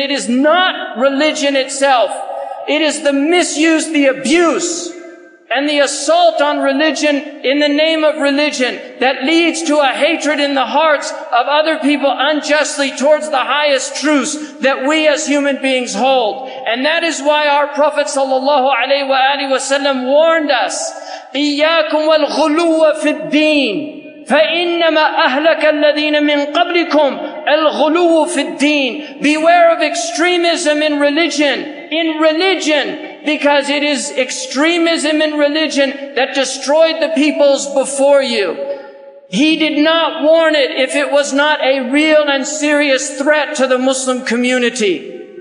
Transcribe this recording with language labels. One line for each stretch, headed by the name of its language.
English: It is not religion itself. It is the misuse, the abuse, and the assault on religion in the name of religion that leads to a hatred in the hearts of other people unjustly towards the highest truths that we as human beings hold. And that is why our Prophet sallallahu alaihi wasallam warned us,
Arabic: إِيَّاكُمْ وَالْغُلُوَّ فِي الدِّينِ فَإِنَّمَا أَهْلَكَ الَّذِينَ مِنْ قَبْلِكُمْ الْغُلُوُ فِي الدِّينِ.
English: Beware of extremism in religion. In religion, because it is extremism in religion that destroyed the peoples before you. He did not warn it if it was not a real and serious threat to the Muslim community.